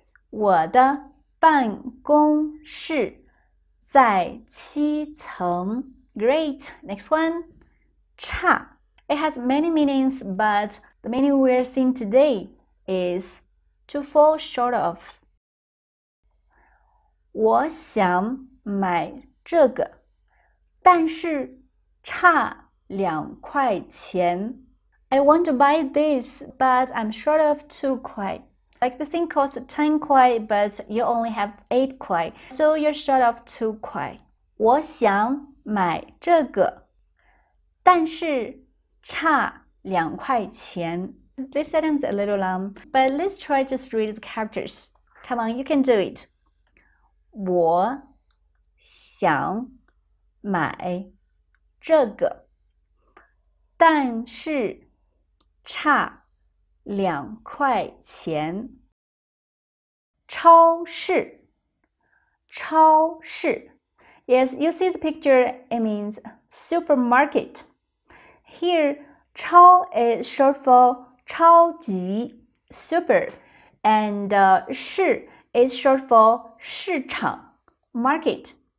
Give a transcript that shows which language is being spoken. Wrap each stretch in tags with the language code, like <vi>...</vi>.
<zh>我的办公室在七层。</zh> <en>Great. Next one.</en> <zh>差</zh> <en>It has many meanings, but the meaning we're seeing today is to fall short of.</en> <zh>我想买这个，但是差两块钱。</zh> <en>I want to buy this, but I'm short of 2 kuai. Like the thing costs 10 kuai, but you only have 8 kuai. So you're short of 2 kuai.</en> <zh>我想买这个，但是差两块钱。</zh> <en>This sentence is a little long, but let's try just read the characters. Come on, you can do it.</en> <zh>我想买这个，但是差两块钱。超市，超市。</zh> <en>Yes, you see the picture, it means supermarket. Here, 超 is short for 超级 super, and 市 is short for 市场。Market.</en>